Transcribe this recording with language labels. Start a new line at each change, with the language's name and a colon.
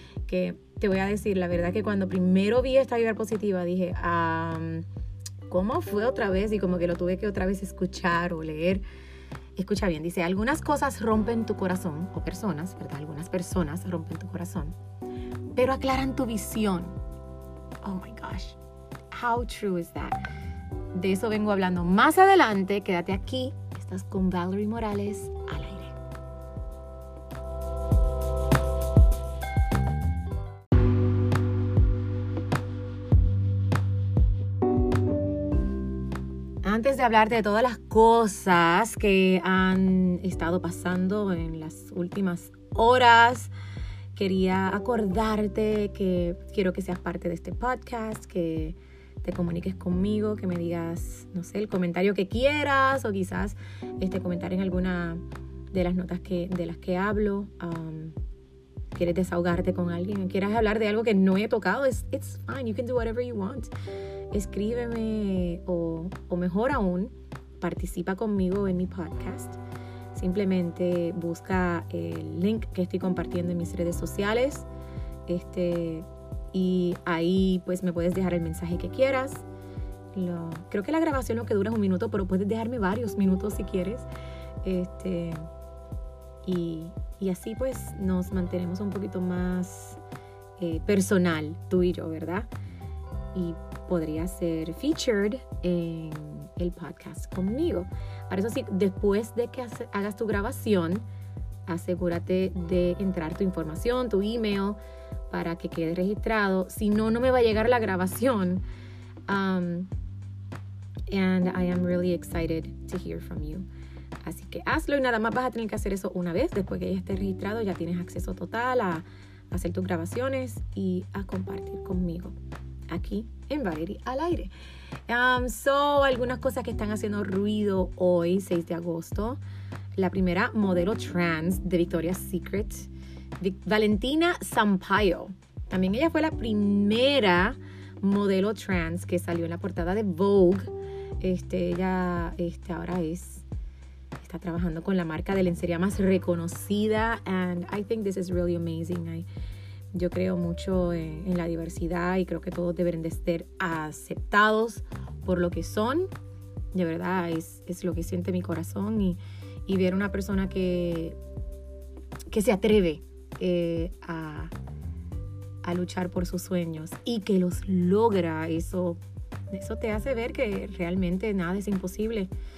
Spanish: Que te voy a decir, la verdad que cuando primero vi esta vibra positiva dije, ¿cómo fue otra vez? Y como que lo tuve que otra vez escuchar o leer. Escucha bien, dice, algunas cosas rompen tu corazón, o personas, ¿verdad? Algunas personas rompen tu corazón, pero aclaran tu visión.
English: Oh my gosh, how true is that?
Spanish: De eso vengo hablando más adelante. Quédate aquí, estás con Valerie Morales al aire. Antes de hablar de todas las cosas que han estado pasando en las últimas horas, quería acordarte que quiero que seas parte de este podcast, que te comuniques conmigo, que me digas, no sé, el comentario que quieras o quizás este comentario en alguna de las notas que, de las que hablo. ¿Quieres desahogarte con alguien? ¿Quieres hablar de algo que no he tocado?
English: It's fine, you can do whatever you want.
Spanish: Escríbeme o mejor aún, participa conmigo en mi podcast. Simplemente busca el link que estoy compartiendo en mis redes sociales. Y ahí pues me puedes dejar el mensaje que quieras. Creo que la grabación lo que dura es un minuto, pero puedes dejarme varios minutos si quieres. Y así pues nos mantenemos un poquito más personal, tú y yo, ¿verdad? Y podría ser featured en el podcast conmigo. Para eso sí, después de que hagas tu grabación, asegúrate de entrar tu información, tu email, para que quede registrado. Si no, no me va a llegar la grabación.
English: And I am really excited to hear from you.
Spanish: Así que hazlo y nada más vas a tener que hacer eso una vez. Después que ya esté registrado, ya tienes acceso total a hacer tus grabaciones y a compartir conmigo aquí en Valerie al aire. Algunas cosas que están haciendo ruido hoy, 6 de agosto. La primera modelo trans de Victoria's Secret, Valentina Sampaio. También ella fue la primera modelo trans que salió en la portada de Vogue. Ella está trabajando con la marca de lencería más reconocida.
English: And I think this is really amazing.
Spanish: Yo creo mucho en la diversidad y creo que todos deben de ser aceptados por lo que son. De verdad, es lo que siente mi corazón. Y ver una persona que se atreve a luchar por sus sueños y que los logra, eso te hace ver que realmente nada es imposible.